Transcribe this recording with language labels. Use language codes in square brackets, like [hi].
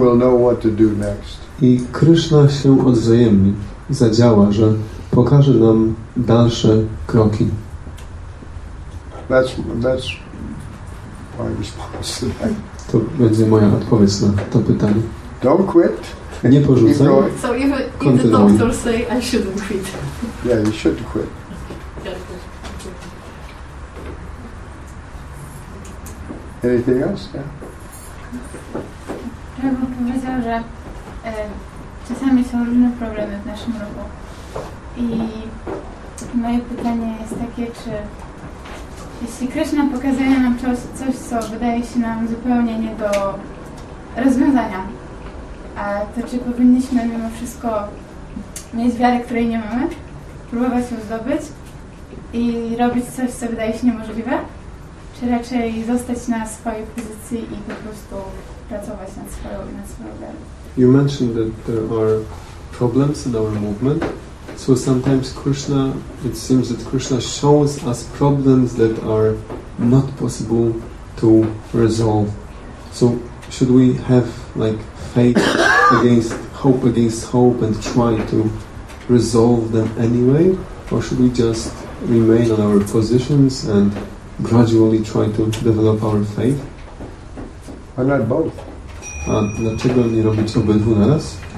[en] We'll know what to do next. [pl] I Krishna się odwzajemni, zadziała, że pokaże nam dalsze kroki. [en] That's my response to that. [pl] To będzie moja odpowiedź na to pytanie. [en] Don't quit. [pl] Nie porzucaj. [en] So if the doctors say I shouldn't quit. Yeah, you should quit. Anything else? Yeah. [pl] Rabbi powiedział, że czasami są różne problemy w naszym ruchu. I moje pytanie jest takie, czy jeśli Krishna pokazuje nam coś, co wydaje się nam zupełnie nie do rozwiązania, to czy powinniśmy mimo wszystko mieć wiarę, której nie mamy, próbować ją zdobyć i robić coś, co wydaje się niemożliwe? Czy raczej zostać na swojej pozycji i po prostu pracować nad swoją wiarą? [en] You mentioned that there are problems in our movement. So sometimes Krishna, it seems that Krishna shows us problems that are not possible to resolve. So should we have like faith against hope and try to resolve them anyway? Or should we just remain on our positions and gradually try to develop our faith? Why not both? [pl] A dlaczego nie robić obydwu naraz?